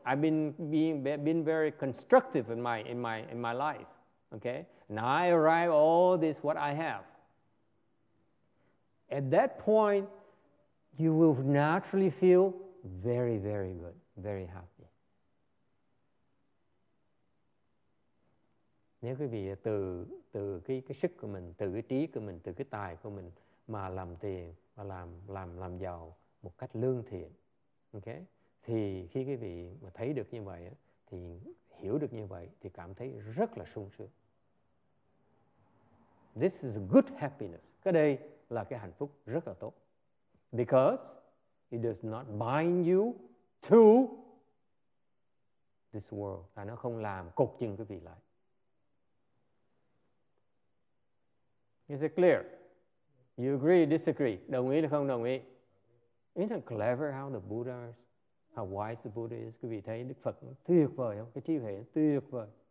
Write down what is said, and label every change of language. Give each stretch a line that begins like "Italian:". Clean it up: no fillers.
English: I've been very constructive in my life, okay? And I arrive at all this what I have. At that point, you will naturally feel very, very good, very happy.
Vietnamese: Nếu quý vị từ cái sức của mình, từ cái trí của mình, từ cái tài của mình mà làm tiền và làm giàu một cách lương thiện, okay? Thì khi quý vị mà thấy được như vậy, thì hiểu được như vậy, thì cảm thấy rất là sung sướng.
English: This is a good happiness.
Vietnamese: Cái đây là cái hạnh phúc rất là tốt.
English: Because it does not bind you to this world.
Vietnamese: Là nó không làm cột chân quý vị lại.
English: Is it clear? You agree, disagree?
Vietnamese: Đồng ý là không đồng ý?
English: Isn't it clever how the Buddha is? How wise the Buddha is.
Vietnamese: Quý vị thấy Đức Phật tuyệt vời không? Cái trí huệ tuyệt vời.